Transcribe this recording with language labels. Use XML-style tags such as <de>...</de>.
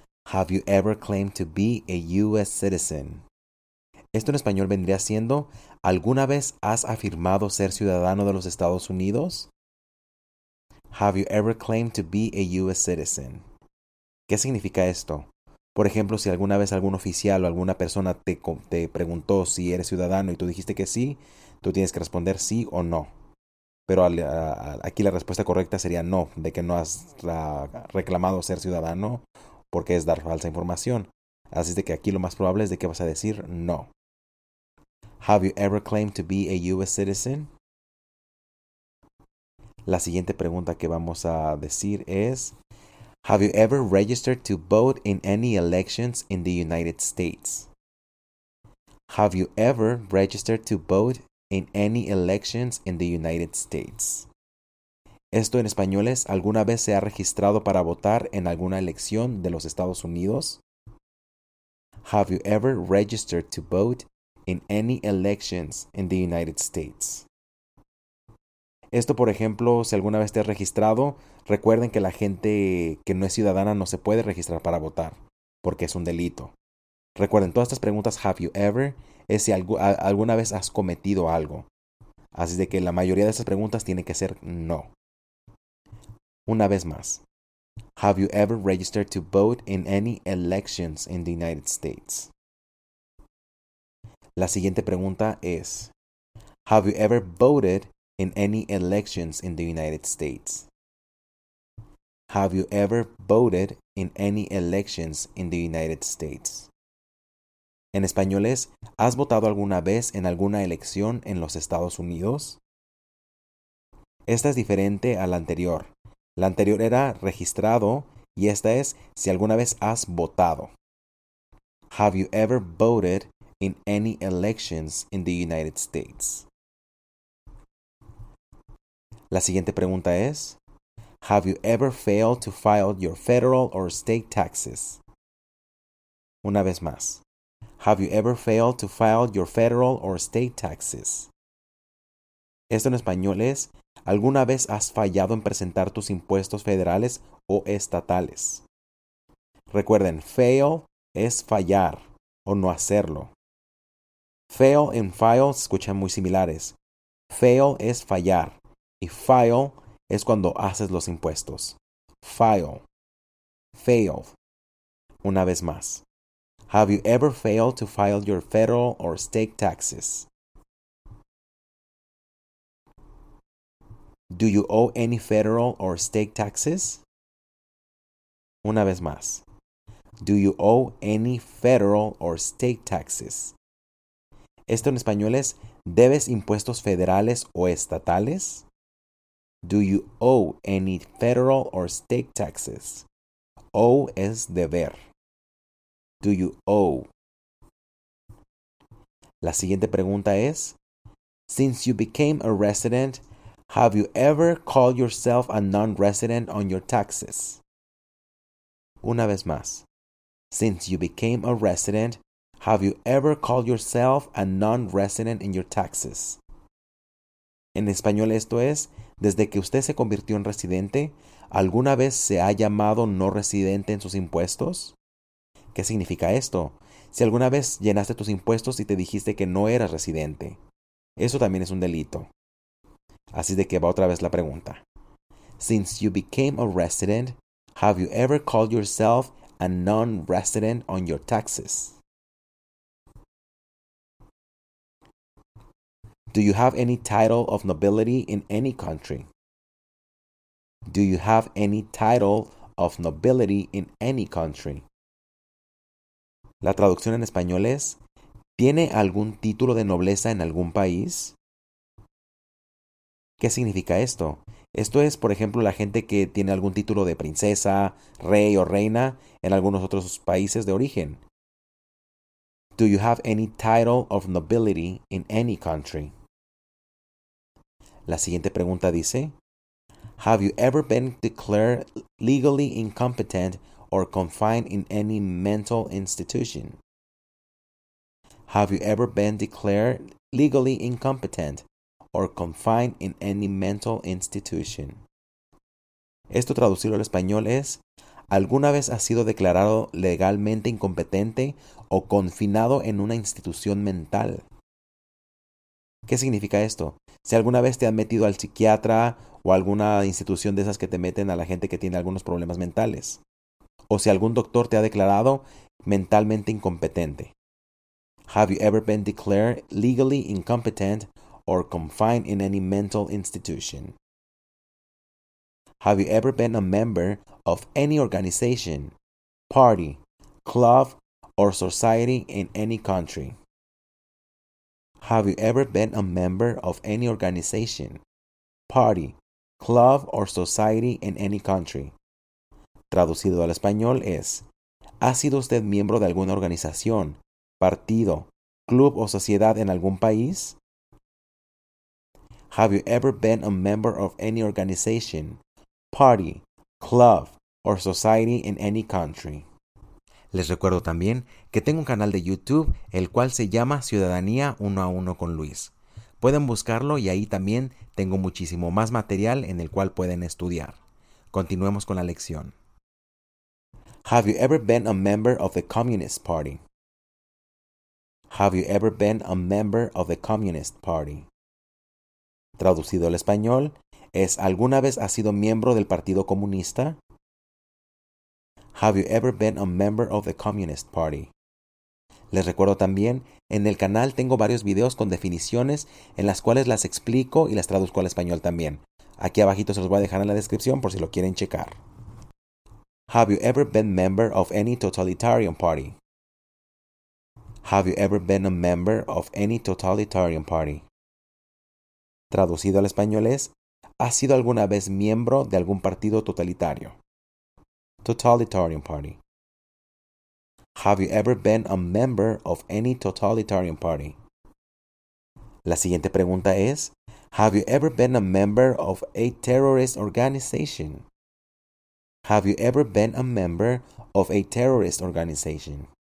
<en>Have you ever claimed to be a U.S. citizen?</en> <es>Esto en español vendría siendo, ¿alguna vez has afirmado ser ciudadano de los Estados Unidos?</es> <en>Have you ever claimed to be a U.S. citizen?</en> <es>¿Qué significa esto? Por ejemplo, si alguna vez algún oficial o alguna persona te preguntó si eres ciudadano y tú dijiste que sí, tú tienes que responder sí o no. Pero aquí la respuesta correcta sería no, de que no has reclamado ser ciudadano porque es dar falsa información. Así de que aquí lo más probable es de que vas a decir no.</es> <en>Have you ever claimed to be a U.S. citizen?</en> <es>La siguiente pregunta que vamos a decir es,</es> <en>Have you ever registered to vote in any elections in the United States? Have you ever registered to vote in any elections in the United States?</en> <es>Esto en español es, ¿alguna vez se ha registrado para votar en alguna elección de los Estados Unidos?</es> <en>Have you ever registered to vote in any elections in the United States?</en> <es>Esto, por ejemplo, si alguna vez te has registrado, recuerden que la gente que no es ciudadana no se puede registrar para votar, porque es un delito. Recuerden, todas estas preguntas,</es> <en>have you ever,</en> <es>es si alguna vez has cometido algo. Así de que la mayoría de estas preguntas tiene que ser no. Una vez más.</es> <en>Have you ever registered to vote in any elections in the United States?</en> <es>La siguiente pregunta es,</es> <en>Have you ever voted in any elections in the United States? Have you ever voted in any elections in the United States?</en> <es>En español es, ¿has votado alguna vez en alguna elección en los Estados Unidos? Esta es diferente a la anterior. La anterior era registrado y esta es si alguna vez has votado.</es> <en>Have you ever voted in any elections in the United States?</en> <es>La siguiente pregunta es,</es> <en>Have you ever failed to file your federal or state taxes?</en> <es>Una vez más,</es> <en>Have you ever failed to file your federal or state taxes?</en> <es>Esto en español es, ¿alguna vez has fallado en presentar tus impuestos federales o estatales? Recuerden, fail es fallar o no hacerlo. Fail y file se escuchan muy similares. Fail es fallar y file es cuando haces los impuestos. File. Fail. Una vez más.</es> <en>Have you ever failed to file your federal or state taxes? Do you owe any federal or state taxes?</en> <es>Una vez más.</es> <en>Do you owe any federal or state taxes?</en> <es>Esto en español es, ¿debes impuestos federales o estatales?</es> <en>Do you owe any federal or state taxes? Owe</en> <es>es deber.</es> <en>Do you owe?</en> <es>La siguiente pregunta es,</es> <en>Since you became a resident, Have you ever called yourself a non-resident on your taxes?</en> <es>Una vez más.</es> <en>Since you became a resident, have you ever called yourself a non-resident in your taxes?</en> <es>En español esto es, desde que usted se convirtió en residente, ¿alguna vez se ha llamado no residente en sus impuestos? ¿Qué significa esto? Si alguna vez llenaste tus impuestos y te dijiste que no eras residente, eso también es un delito. Así de que va otra vez la pregunta.</es> <en>Since you became a resident, have you ever called yourself a non-resident on your taxes? Do you have any title of nobility in any country? Do you have any title of nobility in any country?</en> <es>La traducción en español es, ¿tiene algún título de nobleza en algún país? ¿Qué significa esto? Esto es, por ejemplo, la gente que tiene algún título de princesa, rey o reina en algunos otros países de origen.</es> <en>Do you have any title of nobility in any country?</en> <es>La siguiente pregunta dice,</es> <en>have you ever been declared legally incompetent or confined in any mental institution? Have you ever been declared legally incompetent or confined in any mental institution?</en> <es>Esto traducido al español es, ¿alguna vez has sido declarado legalmente incompetente o confinado en una institución mental? ¿Qué significa esto? Si alguna vez te han metido al psiquiatra o alguna institución de esas que te meten a la gente que tiene algunos problemas mentales. O si algún doctor te ha declarado mentalmente incompetente.</es> <en>Have you ever been declared legally incompetent or confined in any mental institution? Have you ever been a member of any organization, party, club, or society in any country? Have you ever been a member of any organization, party, club, or society in any country?</en> <es>Traducido al español es, ¿ha sido usted miembro de alguna organización, partido, club o sociedad en algún país?</es> <en>Have you ever been a member of any organization, party, club, or society in any country?</en> <es>Les recuerdo también que tengo un canal de YouTube el cual se llama Ciudadanía 1 a 1 con Luis. Pueden buscarlo y ahí también tengo muchísimo más material en el cual pueden estudiar. Continuemos con la lección.</es> <en>Have you ever been a member of the Communist Party? Have you ever been a member of the Communist Party?</en> <es>Traducido al español, ¿es alguna vez has sido miembro del Partido Comunista?</es> <en>Have you ever been a member of the Communist Party?</en> <es>Les recuerdo también, en el canal tengo varios videos con definiciones en las cuales las explico y las traduzco al español también. Aquí abajito se los voy a dejar en la descripción por si lo quieren checar.</es> <en>Have you ever been a member of any totalitarian party? Have you ever been a member of any totalitarian party?</en> <es>Traducido al español es, ¿has sido alguna vez miembro de algún partido totalitario?</es> <en>Totalitarian party. Have you ever been a member of any totalitarian party?</en> <es>La siguiente pregunta es,</es> <en>have you ever been a member of a terrorist organization? Have you ever been a member of a terrorist organization?</en>